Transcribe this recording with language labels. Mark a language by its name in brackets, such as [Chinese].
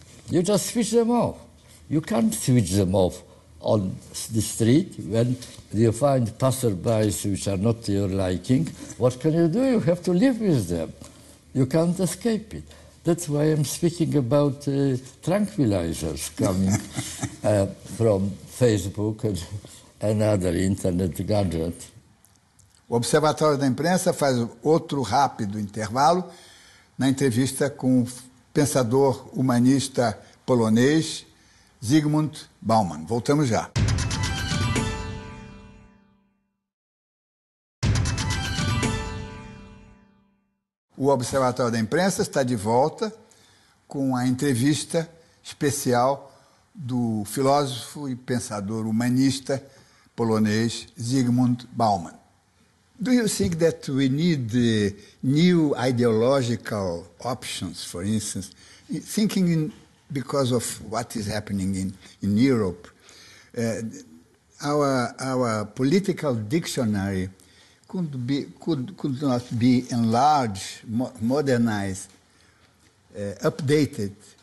[English] You just switch them off. You can't switch them off on the street when you find passerbys which are not to your liking. What can you do? You have to live with them. You can't escape it. That's why I'm speaking about tranquilizers coming from Facebook and other internet gadgets. [Portuguese] O Observatório da Imprensa faz outro rápido intervalo na entrevista com o pensador humanista polonês Zygmunt Bauman. Voltamos já. O Observatório da Imprensa está de volta com a entrevista especial do filósofo e pensador humanista polonês Zygmunt Bauman. [English] Do you think that we need new ideological options, for instance, thinking in, because of what is happening in Europe, our political dictionary could not be enlarged, modernized, updated.